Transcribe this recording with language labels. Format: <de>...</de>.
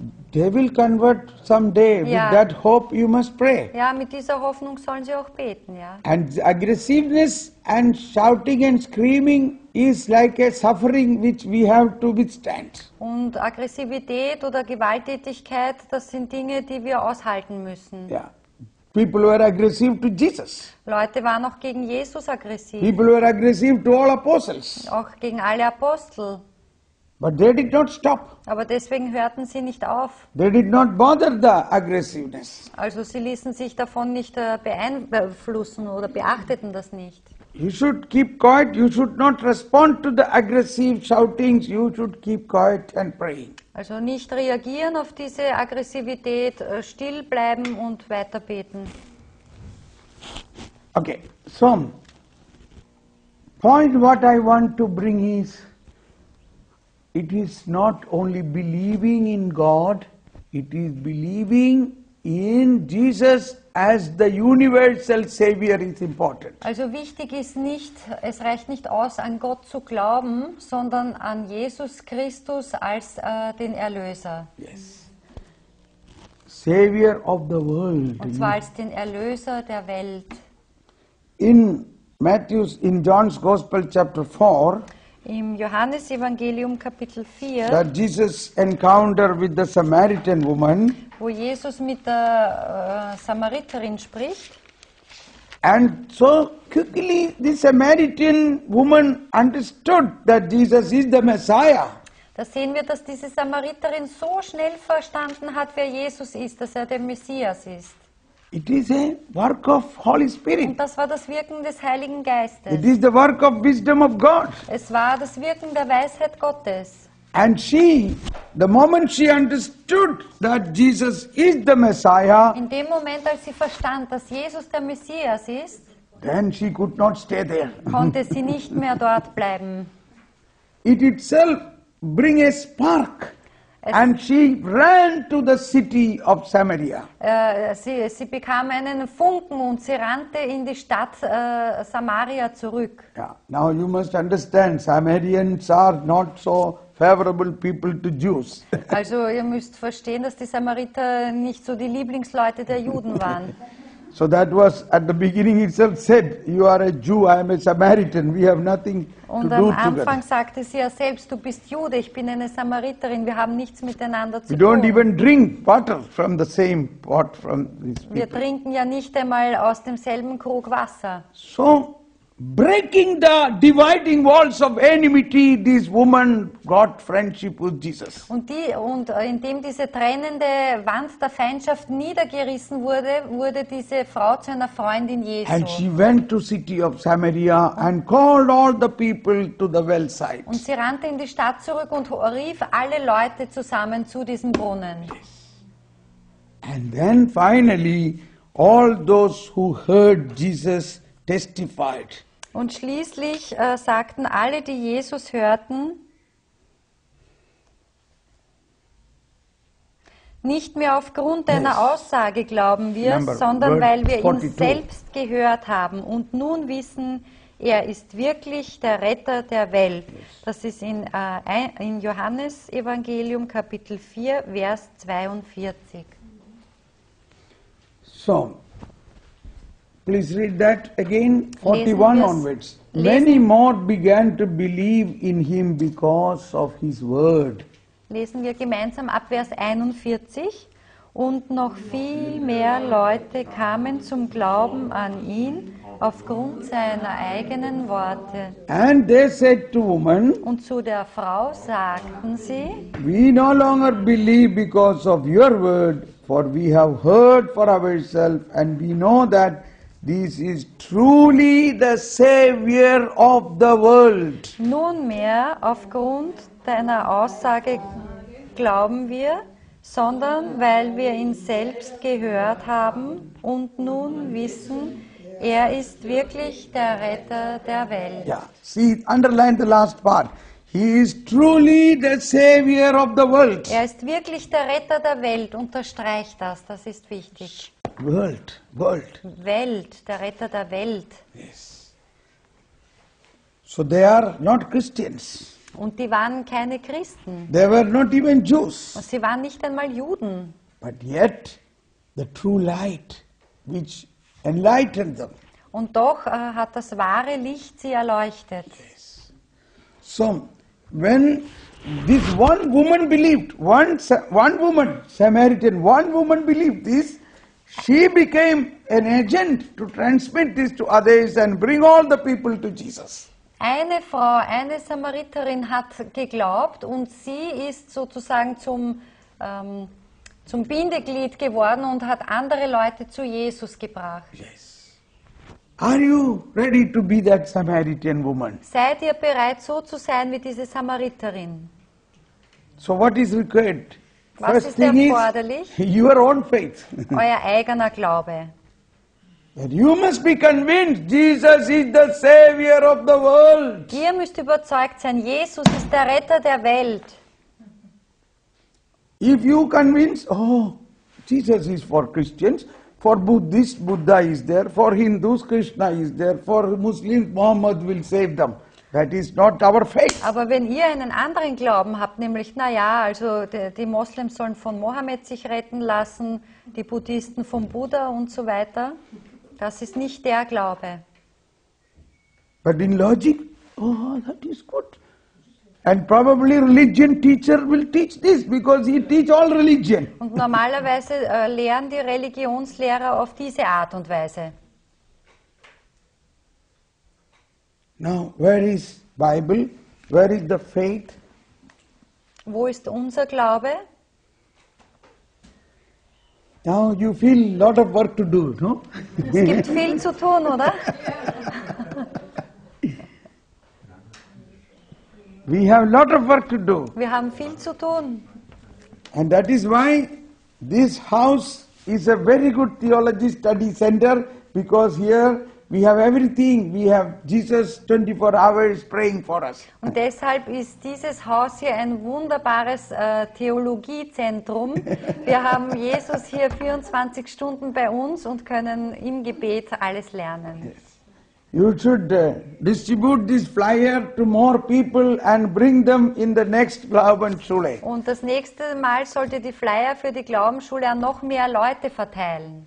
<en>They will convert someday.</en> <de>Ja.</de> <en>With that hope, you must pray.</en> <de>Ja, mit dieser Hoffnung sollen sie auch beten, ja.</de> <en>And aggressiveness and shouting and screaming is like a suffering which we have to withstand.</en> <de>Und Aggressivität oder Gewalttätigkeit, das sind Dinge, die wir aushalten müssen. Ja.</de> <en>People were aggressive to Jesus.</en> <de>Leute waren auch gegen Jesus aggressiv.</de> <en>People were aggressive to all apostles.</en> <de>Auch gegen alle Apostel.</de> <en>But they did not stop.</en> <de>Aber deswegen hörten sie nicht auf.</de> <en>They did not bother the aggressiveness.</en> <de>Also sie ließen sich davon nicht beeinflussen oder beachteten das nicht.</de> <en>You should keep quiet. You should not respond to the aggressive shoutings. You should keep quiet and pray.</en> <de>Also nicht reagieren auf diese Aggressivität, still bleiben und weiter beten.</de> <en>Okay, so point what I want to bring is, it is not only believing in God, it is believing in Jesus as the universal Savior is important.</en> <de>Also wichtig ist nicht, es reicht nicht aus, an Gott zu glauben, sondern an Jesus Christus als den Erlöser.</de> <en>Yes. Savior of the world.</en> <de>Und zwar als den Erlöser der Welt.</de> <en>In John's Gospel chapter 4,</en> <de>im Johannesevangelium Kapitel 4,</de> <en>that Jesus encounter with the Samaritan woman,</en> <de>wo Jesus mit der Samariterin spricht.</de> <en>And so quickly the Samaritan woman understood that Jesus is the Messiah.</en> <de>Da sehen wir, dass diese Samariterin so schnell verstanden hat, wer Jesus ist, dass er der Messias ist.</de> <en>It is a work of Holy Spirit.</en> <de>Und das war das Wirken des Heiligen Geistes.</de> <en>It is the work of wisdom of God.</en> <de>Es war das Wirken der Weisheit Gottes.</de> <en>And she, the moment she understood that Jesus is the Messiah,</en> <de>in dem Moment, als sie verstand, dass Jesus der Messias ist,</de> <en>then she could not stay there.</en> <de>Konnte sie nicht mehr dort bleiben.</de> <en>It itself bring a spark. And she ran to the city of Samaria.</en> <de>Sie bekam einen Funken und sie rannte in die Stadt Samaria zurück.</de> <en>Yeah. Now you must understand, Samaritans are not so favorable people to Jews.</en> <de>Also ihr müsst verstehen, dass die Samariter nicht so die Lieblingsleute der Juden waren.</de> <en>So that was at the beginning itself said, you are a Jew, I am a Samaritan, we have nothing</en> <de>und</de> <en>to do together.</en> <de>Und am Anfang sagte sie ja selbst, du bist Jude, ich bin eine Samariterin, wir haben nichts miteinander zu</de> <en>we</en> <de>tun.</de> <en>We don't even drink water from the same pot from these people.</en> <de>Wir trinken ja nicht einmal aus demselben Krug Wasser.</de> <en>So, breaking the dividing walls of enmity, this woman got friendship with Jesus.</en> <de>Und indem diese trennende Wand der Feindschaft niedergerissen wurde, wurde diese Frau zu einer Freundin Jesu.</de> <en>And she went to city of Samaria and called all the people to the well side.</en> <de>Und sie rannte in die Stadt zurück und rief alle Leute zusammen zu diesem Brunnen.</de> <en>Yes. And then finally, all those who heard Jesus testified.</en> <de>Und schließlich sagten alle, die Jesus hörten, nicht mehr aufgrund deiner Aussage glauben wir, sondern weil wir ihn selbst gehört haben und nun wissen, er ist wirklich der Retter der Welt. Das ist in Johannes Evangelium Kapitel 4, Vers 42.</de> <en>So. Please read that again, 41 onwards. Many more began to believe in him because of his word.</en> <de>Lesen wir gemeinsam ab Vers 41. Und noch viel mehr Leute kamen zum Glauben an ihn aufgrund seiner eigenen Worte.</de> <en>And they said to woman,</en> <de>und zu der Frau sagten sie,</de> <en>we no longer believe because of your word, for we have heard for ourselves and we know that this is truly the Savior of the world.</en> <de>Nunmehr, aufgrund deiner Aussage glauben wir, sondern weil wir ihn selbst gehört haben und nun wissen, er ist wirklich der Retter der Welt.</de> <en>Yeah. See, underline the last part. He is truly the Savior of the world.</en> <de>Er ist wirklich der Retter der Welt. Unterstreicht das. Das ist wichtig.</de> <en>World, world.</en> <de>Welt, der Retter der Welt.</de> <en>Yes. So they are not Christians.</en> <de>Und die waren keine Christen.</de> <en>They were not even Jews.</en> <de>Und sie waren nicht einmal Juden.</de> <en>But yet, the true light, which enlightened them.</en> <de>Und doch hat das wahre Licht sie erleuchtet.</de> <en>Yes. So, when this one woman believed, one woman, Samaritan, one woman believed this. She became an agent to transmit this to others and bring all the people to Jesus.</en> <de>Eine Frau, eine Samariterin hat geglaubt und sie ist sozusagen zum Bindeglied geworden und hat andere Leute zu Jesus gebracht.</de> <en>Yes. Are you ready to be that Samaritan woman?</en> <de>Seid ihr bereit, so zu sein wie diese Samariterin?</de> <en>So what is required?</en> <de>Was</de> <en>first</en> <de>ist erforderlich?</de> <en>Thing is your own faith.</en> <de>Euer eigener Glaube.</de> <en>And you must be convinced Jesus is the Savior of the world.</en> <de>Ihr müsst überzeugt sein, Jesus ist der Retter der Welt.</de> <en>If you convince, oh, Jesus is for Christians, for Buddhists, Buddha is there, for Hindus, Krishna is there, for Muslims, Muhammad will save them. That is not our faith.</en> <de>Aber wenn ihr einen anderen Glauben habt, nämlich also die Moslems sollen von Mohammed sich retten lassen, die Buddhisten vom Buddha und so weiter, das ist nicht der Glaube.</de> <en>But in logic, oh, that is good. And probably religion teacher will teach this because he teach all religion.</en> <de>Und normalerweise lehren die Religionslehrer auf diese Art und Weise.</de> <en>Now, where is Bible? Where is the faith?</en> <de>Wo ist unser Glaube?</de> <en>Now you feel a lot of work to do, no?</en> <de>Es gibt viel zu tun, oder?</de> <en>We have a lot of work to do.</en> <de>Wir haben viel zu tun.</de> <en>And that is why this house is a very good theology study center, because here we have everything. We have Jesus 24 hours praying for us.</en> <de>Und deshalb ist dieses Haus hier ein wunderbares Theologiezentrum. Wir haben Jesus hier 24 Stunden bei uns und können im Gebet alles lernen.</de> <en>Yes. You should distribute this flyer to more people and bring them in the next Glaubensschule.</en> <de>Und das nächste Mal sollte die Flyer für die Glaubensschule an noch mehr Leute verteilen.</de>